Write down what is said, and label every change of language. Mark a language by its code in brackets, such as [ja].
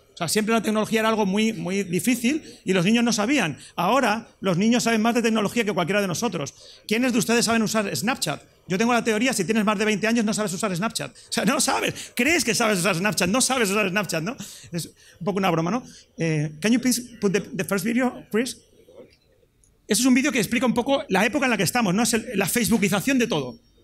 [es] O sea, siempre la tecnología era algo muy, muy difícil y los niños no sabían. Ahora los niños saben más de tecnología que cualquiera de nosotros. ¿Quiénes de ustedes saben usar Snapchat? Yo tengo la teoría, si tienes más de 20 años no sabes usar Snapchat. O sea, no sabes. ¿Crees que sabes usar Snapchat? No sabes usar Snapchat, ¿no? Es un poco una broma, ¿no? [en] Can you please put the first video, Chris? [es] Eso es un vídeo que explica un poco la época en la que estamos, ¿no? Es la facebookización de todo.